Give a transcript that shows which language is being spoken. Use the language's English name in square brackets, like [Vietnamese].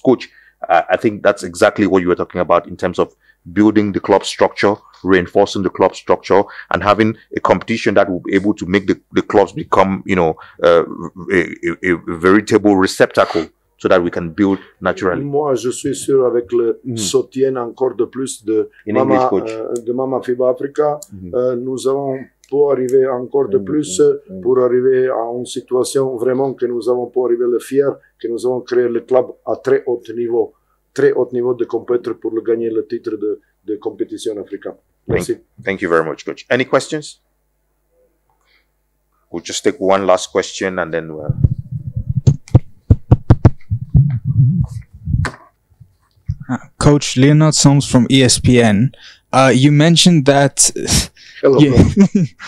[English] Coach, I think that's exactly what you were talking about in terms of building the club structure, reinforcing the club structure, and having a competition that will be able to make the clubs become, you know, a veritable receptacle so that we can build naturally. [French] Moi, je suis sûr avec le soutien encore de plus de Mama FIBA Africa, nous avons pu arriver encore de plus pour arriver à une situation vraiment que nous avons pu arriver le fier, que nous avons créé le club à très haut niveau. Très haut niveau de compétition pour gagner le titre de compétition africaine. Merci. [English] Thank you very much, coach. Any questions? We'll just take one last question and then we'll... [French] Bonjour. [English] Coach Leonard Soames from ESPN. You mentioned that. Hello. Yeah,